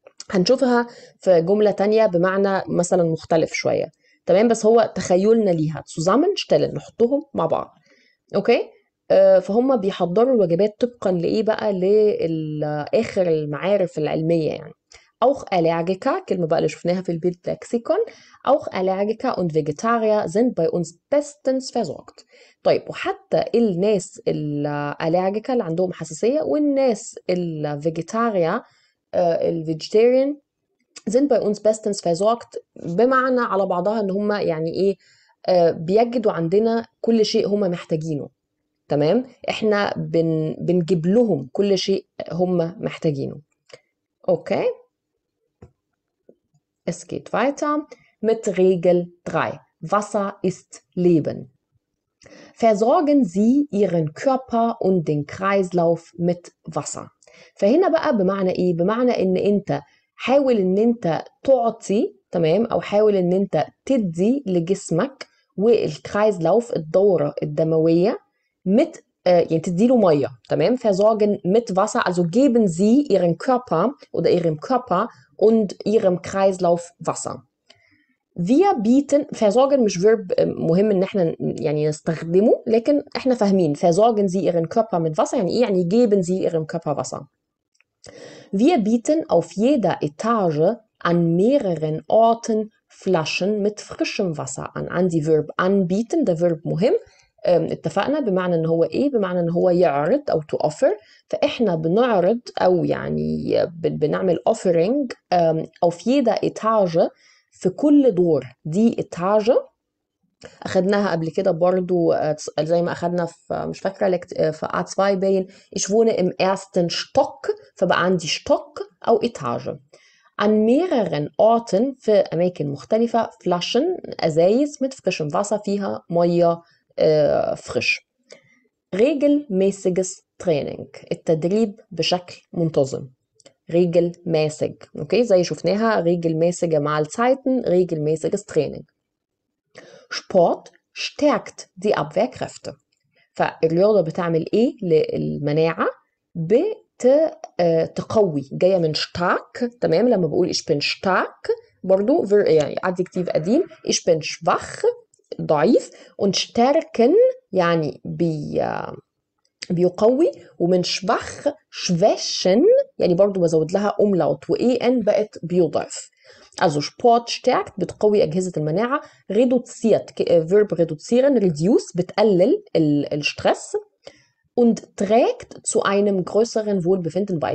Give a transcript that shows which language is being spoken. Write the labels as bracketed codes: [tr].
[ar] هنشوفها في جمله تانية بمعنى مثلا مختلف شويه، تمام، بس هو تخيلنا ليها زوزامنشتالن، نحطهم مع بعض، اوكي. فهم بيحضروا الوجبات طبقا لايه بقى؟ لاخر المعارف العلميه يعني. [de] Auch Allergiker, [ar] كلمة بقى اللي شفناها في البيت لكسيكون، [de] Auch Allergiker und Vegetarier sind bei uns bestens versorgt. [ar] طيب، وحتى الناس الأليرجيكا اللي عندهم حساسية والناس الفيجيتاريا الفيجيتيريان [de] sind bei uns bestens versorgt، [ar] بمعنى على بعضها ان هم يعني ايه بيجدوا عندنا كل شيء هم محتاجينه، تمام، احنا بنجيب لهم كل شيء هم محتاجينه. [de] اوكي، Es geht weiter mit Regel 3. Wasser ist Leben. Versorgen Sie Ihren Körper und den Kreislauf mit Wasser. [ar] فهنا بقى بمعنى ايه؟ بمعنى ان انت حاول ان انت تعطي، تمام، او حاول ان انت تدي لجسمك والكرايزلوف الدورة الدموية مت يعني تدي له ميه، تمام. [de] Versorgen mit Wasser، also geben Sie Ihren Körper oder Ihrem Körper und ihrem Kreislauf Wasser. Wir bieten, versorgen [ar] مش verb مهم ان احنا يعني نستخدمه، لكن احنا فاهمين [de] versorgen Sie Ihren Körper mit Wasser [ar] يعني ايه؟ يعني [de] geben Sie Ihrem Körper Wasser. Wir bieten auf jeder Etage an mehreren Orten Flaschen mit frischem Wasser an. An die verb anbieten, der verb [ar] مهم، اتفقنا بمعنى ان هو ايه؟ بمعنى ان هو يعرض او [en] to offer. [ar] فاحنا بنعرض او يعني بنعمل offering [de] auf jeder Etage [ar] في كل دور. دي Etage اخدناها قبل كده برضو زي ما اخدنا في مش فاكره في A2 باين. [de] Ich wohne im ersten Stock، [ar] فبقى عندي [de] Stock او Etage. An mehreren Orten [ar] في اماكن مختلفه [de] Flaschen ازايز mit frischem Wasser [ar] فيها ميه [de] frisch. Regelmäßiges Training. [ar] التدريب بشكل منتظم. Regelmäßig. [de] Okay, [ar] زي شفناها [de] regelmäßige Mahlzeiten, regelmäßiges Training. Sport stärkt die Abwehrkräfte. [ar] فالرياضة بتعمل ايه للمناعة؟ بتقوي. جاية من stark، تمام؟ لما بقول [de] ich bin stark، [ar] برضو يعني adjektiv قديم، [de] ich bin schwach، [ar] ضعيف، [de] und stärken [ar] يعني بيقوي، ومن schwach schwächen يعني برضو بزود لها umlaut و en بقت بيضعف. [de] Also Sport stärkt، [ar] بتقوي أجهزة المناعة. [de] Reduziert، verb reduzieren، reduce بتقلل الstress. Und trägt zu einem größeren Wohlbefinden bei.